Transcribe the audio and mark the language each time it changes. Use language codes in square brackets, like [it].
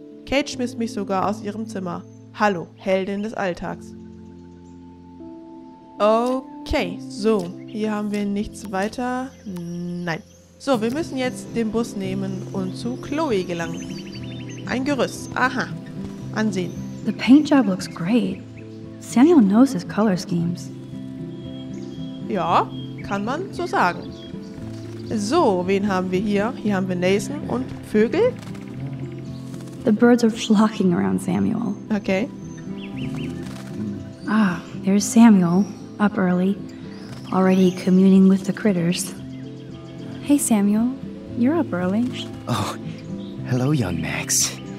[de] Kate schmiss mich sogar aus ihrem Zimmer. Hallo, Heldin des Alltags. Okay, so, hier haben wir nichts weiter. Nein. So, wir müssen jetzt den Bus nehmen und zu Chloe gelangen. Ein Gerüst, aha. Ansehen. [en] The paint job looks great. Samuel knows his color schemes. [de] Ja, kann man so sagen. So, wen haben wir hier? Hier haben wir Nathan und Vögel. [en] The birds are flocking around Samuel. Okay. Ah, there's Samuel, up early, already communing with the critters. Hey Samuel, you're up early. Oh, hello young Max.